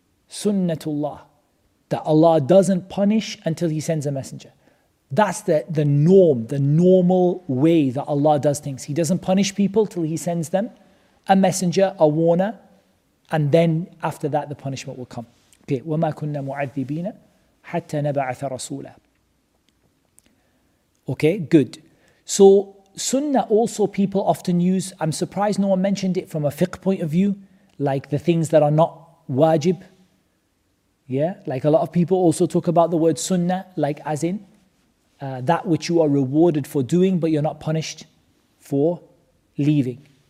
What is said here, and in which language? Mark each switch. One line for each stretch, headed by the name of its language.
English: Sunnatullah, that Allah doesn't punish until He sends a messenger. That's the norm, the normal way that Allah does things. He doesn't punish people till He sends them a messenger, a warner, and then after that the punishment will come. Okay,
Arabic: وَمَا كُنَّا مُعَذِّبِينَ حَتَّى نَبَعَثَ رَسُولًا.
English: Okay, good. So sunnah also people often use. I'm surprised no one mentioned it from a fiqh point of view, like the things that are not wajib. Yeah, like a lot of people also talk about the word sunnah, like as in that which you are rewarded for doing, but you're not punished for leaving.